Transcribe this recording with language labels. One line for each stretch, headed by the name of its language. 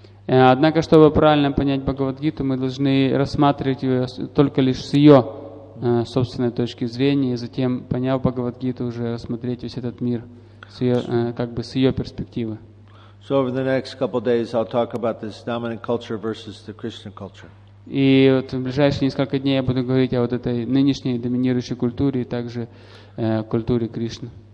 Russian: Однако, чтобы правильно понять Бхагавад-гиту, мы должны рассматривать ее только лишь с ее собственной точки зрения, и затем, поняв Бхагавад-гиту, уже рассмотреть весь этот мир с ее, как бы с ее перспективы.
English: So over the next couple of days, I'll talk about this dominant culture versus the Krishna culture.
Russian: И вот в ближайшие несколько дней я буду говорить о вот этой нынешней доминирующей культуре и также культуре Кришны.